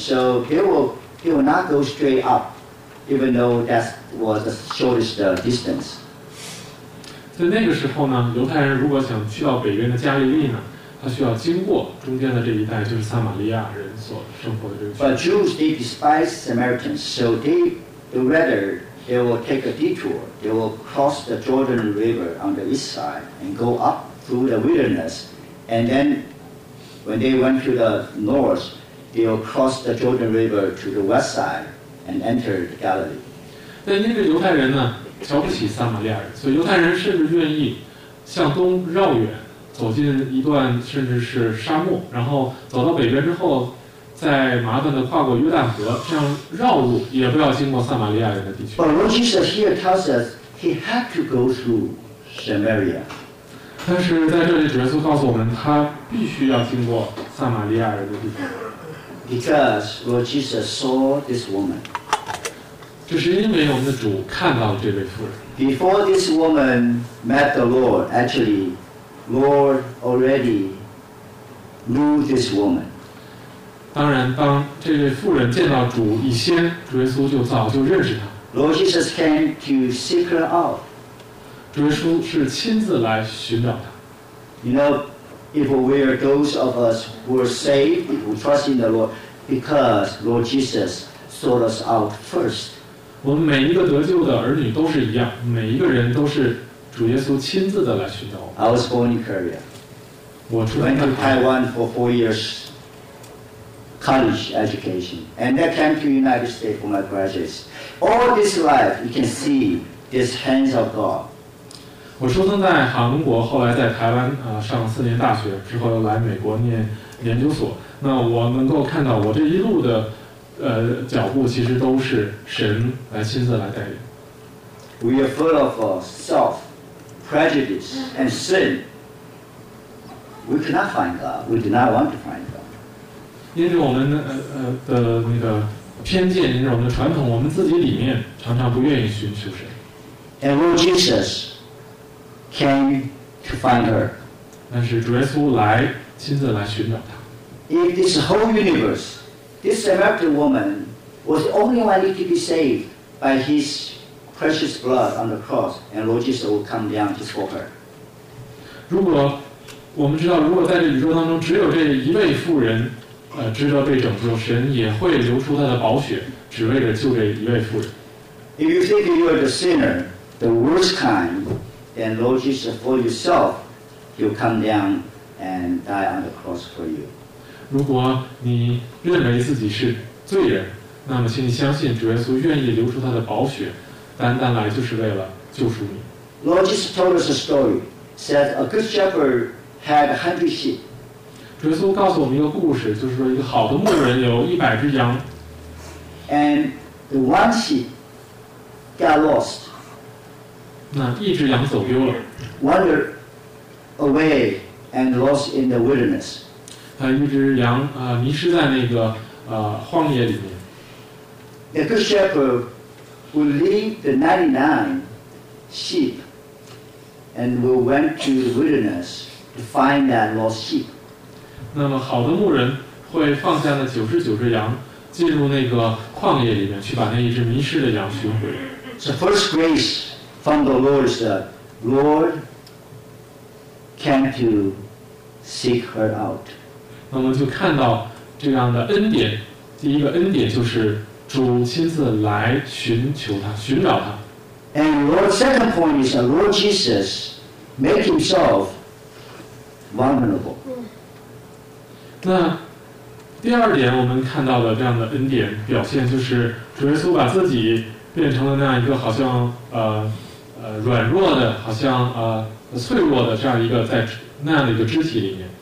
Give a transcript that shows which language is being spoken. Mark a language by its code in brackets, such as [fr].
[en] So they will not go straight up, even though that was the shortest distance. [zh] 在那个时候呢，犹太人如果想去到北边的加利利呢，他需要经过中间的这一带，就是撒玛利亚人所生活的这个区域。 [en] But Jews they despise Samaritans, so they will take a detour. They will cross the Jordan River on the east side and go up through the wilderness, and then when they went to the north, they will cross the Jordan River to the west side and enter the Galilee. [zh] 但因为犹太人呢瞧不起撒玛利亚人，所以犹太人甚至愿意向东绕远。走进一段甚至是沙漠，然后走到北边之后在麻烦的跨过约旦河，这样绕路也不要经过撒玛利亚人的地区。 [en] But what Jesus here tells us, he had to go through Samaria. [zh] 但是在这里，耶稣告诉我们，他必须要经过撒玛利亚人的地区。 [en] Because Lord Jesus saw this woman. [zh] 就是因为我们的主看到了这位妇人。 [en] Before this woman met the Lord, actually, Lord already knew this woman. [zh] 当然，当这位妇人见到主以先，主耶稣就早就认识她。 [en] Lord Jesus came to seek her out. [zh] 主耶稣是亲自来寻找她。 [en] You know,If we are those of us who are saved, who trust in the Lord, because Lord Jesus sought us out first. [zh] 我们每一个得救的儿女都是一样，每一个人都是主耶稣亲自的来寻找我。 [en] I was born in Korea. [zh] 我出生在 [en] Taiwan for 4 years, college education, and then came to United States for my graduates. All this life, you can see this hands of God. [zh] 我出生在韩国，后来在台湾上了4年大学，之后又来美国念研究所。那我能够看到，我这一路的脚步，其实都是神来亲自来带领。 [en] We are full of self, prejudice, and sin. We cannot find God. We do not want to find God. [zh] 因着我们的那个偏见，因着我们的传统，我们自己里面常常不愿意寻求神。 [en] And Lord Jesus. Came to find her. [zh] 但是主耶稣来亲自来寻找她。 [en] If this whole universe, this Samaritan woman was the only one to be saved by His precious blood on the cross, and Lord Jesus would come down just for her. [zh] 如果我们知道，如果在这宇宙当中只有这一位妇人，值得被拯救，神也会流出他的宝血，只为了救这一位妇人。 [en] If you think you are the sinner, the worst kind. And Lord Jesus, for yourself, He'll come down and die on the cross for you. [zh] 如果你认为自己是罪人，那么请你相信主耶稣愿意流出他的宝血，单单来就是为了救赎你。 [en] Lord Jesus told us a story. Said a good shepherd had 100 sheep. [zh] 主耶稣告诉我们一个故事，就是说一个好的牧人有100只羊。 [en] And the one sheep got lost. [zh] 那一只羊走丢了 [en] wander away and lost in the wilderness. [zh] 他一只羊迷失在那个荒野里面。 [en] The good shepherd will lead the 99 sheep and will went to the wilderness to find that lost sheep. [zh] 那么好的牧人会放下那99只羊，进入那个旷野里面去把那一只迷失的羊寻回。 [en] The first grace. From the Lord is that Lord came to seek her out. [zh] 那我们就看到这样的恩典，第一个恩典就是主亲自来寻求她，寻找她。 [en] And Lord's second point is that Lord Jesus made himself vulnerable. [zh] 那第二点我们看到的这样的恩典表现就是主耶稣把自己变成了那样一个好像软弱的，好像脆弱的这样一个在那样的一个肢体里面。